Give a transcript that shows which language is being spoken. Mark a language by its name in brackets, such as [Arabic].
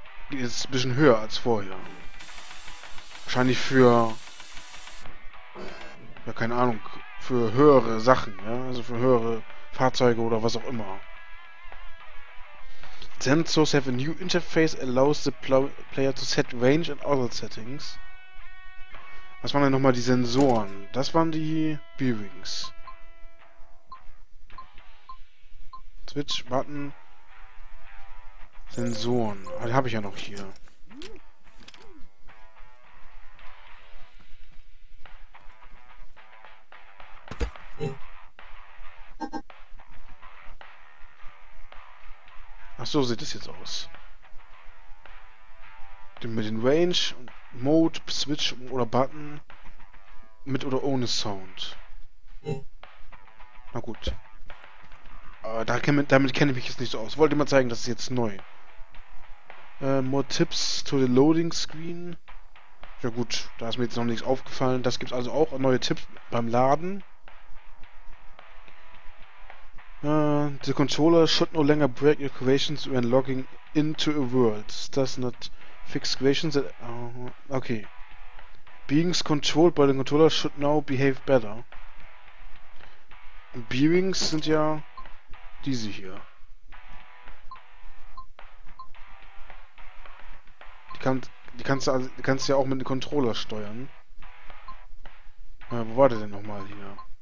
[German] Geht jetzt ein bisschen höher als vorher. Wahrscheinlich für, ja, keine Ahnung, für höhere Sachen, ja? Also für höhere Fahrzeuge oder was auch immer. [English] Sensors have a new interface, allows the player to set range and other settings. [German] Was waren denn nochmal die Sensoren? Das waren die B-Rings. Switch-Button. Sensoren. Ah, die habe ich ja noch hier. Ach so, sieht es jetzt aus. Mit den Range und Mode, Switch oder Button. Mit oder ohne Sound? Na gut. Aber damit kenne ich mich jetzt nicht so aus. Wollte mal zeigen, das ist jetzt neu. [English] More tips to the loading screen. [German] Ja gut, da ist mir jetzt noch nichts aufgefallen. Das gibt's also auch. Neue Tipps beim Laden. [English] The controller should no longer break your equations when logging into a world. Does not fix equations. Okay. Beings controlled by the controller should now behave better. [German] Beings sind ja diese hier. Die kannst du ja auch mit dem Controller steuern. Wo war der denn nochmal hier?